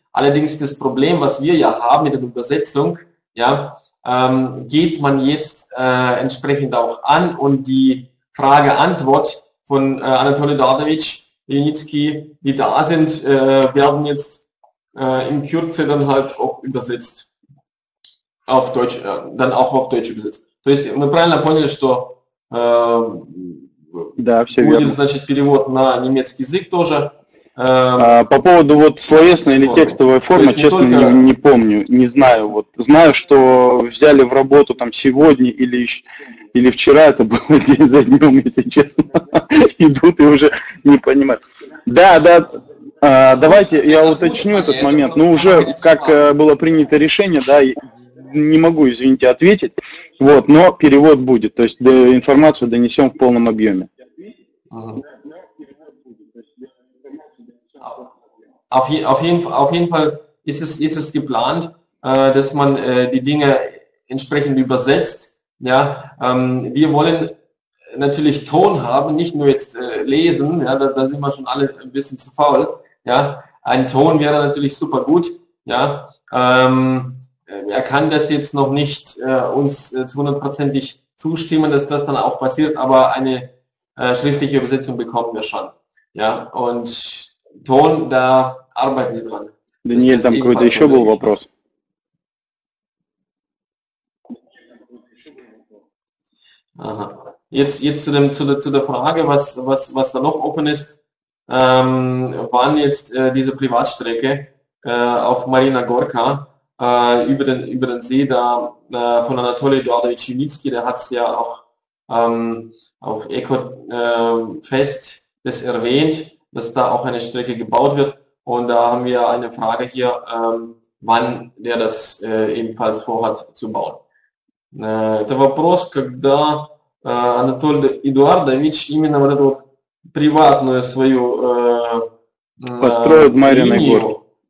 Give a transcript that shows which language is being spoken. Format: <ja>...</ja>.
<de>Allerdings das Problem, was wir ja haben mit der Übersetzung, ja, geht man jetzt entsprechend auch an und die Frage-Antwort von Anatolij Dardovic, Jenitski, die da sind, werden jetzt in Kürze dann halt auch übersetzt. Auf Deutsch, dann auch auf Deutsch übersetzt.</de> <ru>То есть мы правильно поняли, что будет, значит, перевод на немецкий язык тоже. По поводу вот словесной или текстовой формы, честно, не помню, не знаю. Вот знаю, что взяли в работу там сегодня или вчера, это было день за днем, если честно, идут и уже не понимают. Да, да. Давайте я уточню этот момент. Ну уже как было принято решение, да. Не могу, извините, ответить, вот, но перевод будет, то есть информацию донесем в полном объеме.</ru> <de>Auf jeden Fall ist es geplant, dass man die Dinge entsprechend übersetzt. Ja, wir wollen natürlich Ton haben, nicht nur jetzt lesen. Ja, da sind wir schon alle ein bisschen zu faul. Ja, ein Ton wäre natürlich super gut. Ja. Er kann das jetzt noch nicht uns zu hundertprozentig zustimmen, dass das dann auch passiert, aber eine schriftliche Übersetzung bekommen wir schon. Ja, und Ton, da arbeiten wir dran.</de> <ru>Daniel, там какой-то еще был вопрос. Aha.</ru> <de>Jetzt zu der Frage, was da noch offen ist, wann jetzt diese Privatstrecke auf Marina Gorka über den See da von Anatolij Eduardovic Junitski, der hat es ja auch auf Ecofest das erwähnt, dass da auch eine Strecke gebaut wird und da haben wir eine Frage hier, wann der das ebenfalls vorhat zu bauen.</de> <ru>Это вопрос, когда Анатолий Эдуардович именно вот эту приватную свою построит Марьиной Горки.</ru>